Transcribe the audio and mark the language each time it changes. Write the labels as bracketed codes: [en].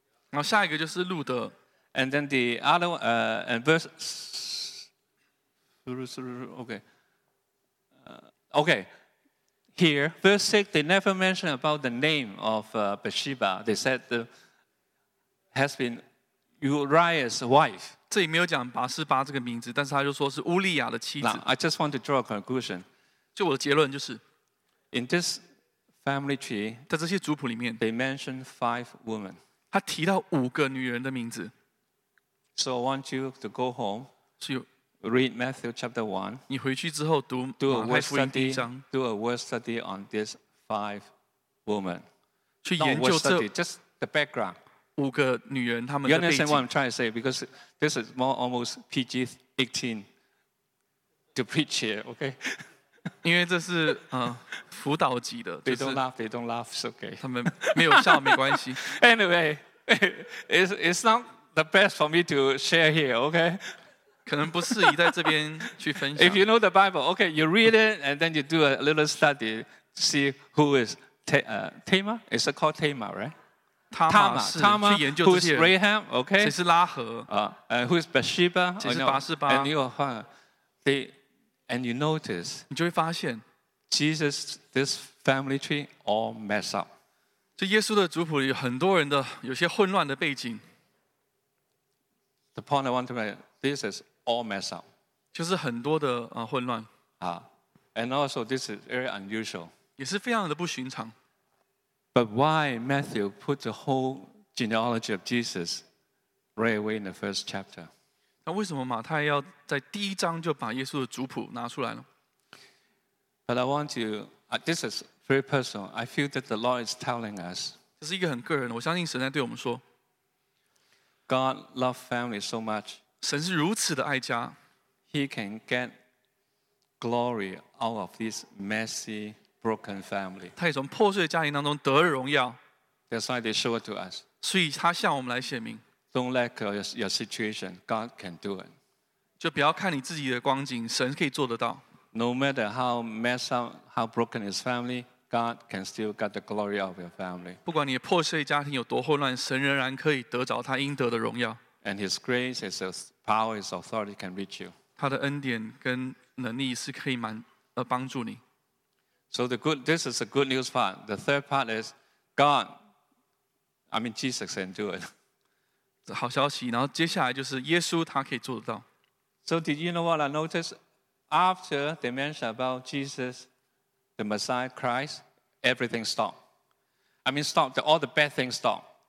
[zh] 然后下一个就是路德. [en] And then the other one, and verse, okay. Okay, here, verse 6, they never mention about the name of Bathsheba. They said the has been Uriah's wife. [zh] 这里没有讲拔示巴这个名字, 但是他就说是乌利亚的妻子。 [en] Now, I just want to draw a conclusion. [zh] 就我的结论就是, [en] in this family tree, [zh] 在这些族谱里面, [en] they mention five women. [zh] 他提到五个女人的名字。 [en] So I want you to go home. Read Matthew chapter 1. [zh] 你回去之后读, [en] do a word study on these five women. [zh] 去研究这, [en] not word study, just the background. [zh] 五个女人她们的背景。 [en] You understand what I'm trying to say? Because this is more almost PG-18 to preach here, okay? [zh] 因为这是, 辅导级的, [en] they don't laugh, they don't laugh, it's okay. [zh] 他们没有笑, 没关系。 [en] Anyway, it's not the best for me to share here, okay? [zh] 可能不适宜在这边去分享。 [en] If you know the Bible, okay, you read it and then you do a little study to see who is Tamar? Is it called Tamar, right? Tamar, who is Rahab, okay? [zh] 谁是拉合? [en] And who is Bathsheba? [zh] 谁是拔示巴? [en] And you find they, and you notice [zh] 你就会发现, [en] Jesus, this family tree all mess up. [zh] 这耶稣的族谱里很多人的有些混乱的背景。 [en] The point I want to make, this is all messed up. [zh] 就是很多的, 混乱。 [en] And also, this is very unusual. [zh] 也是非常的不寻常。 [en] But why Matthew put the whole genealogy of Jesus right away in the first chapter? [zh] 那为什么马太要在第一章就把耶稣的族谱拿出来呢? [en] But I want to, this is very personal. I feel that the Lord is telling us. [zh] 这是一个很个人, 我相信神在对我们说, [en] God loves family so much. [zh] 神是如此的爱家, [en] he can get glory out of this messy, broken family. [zh] 他也从破碎的家庭当中得荣耀, [en] that's why they show it to us. [zh] 所以他向我们来显明, [en] don't let your situation, God can do it. [zh] 就不要看你自己的光景, 神可以做得到。 [en] No matter how messed up, how broken his family, God can still get the glory of your family. [zh] 不管你破碎家庭有多混乱, 神仍然可以得着他应得的荣耀。 [en] And his grace, his power, his authority can reach you. [zh] 他的恩典跟能力是可以帮助你。 [en] So the good, this is the good news part. The third part is God, I mean Jesus can do it. [zh] 这好消息, 然后接下来就是耶稣他可以做得到。 [en] So did you know what I noticed? After they mentioned about Jesus, the Messiah, Christ, everything stopped. I mean, stopped, all the bad things stopped.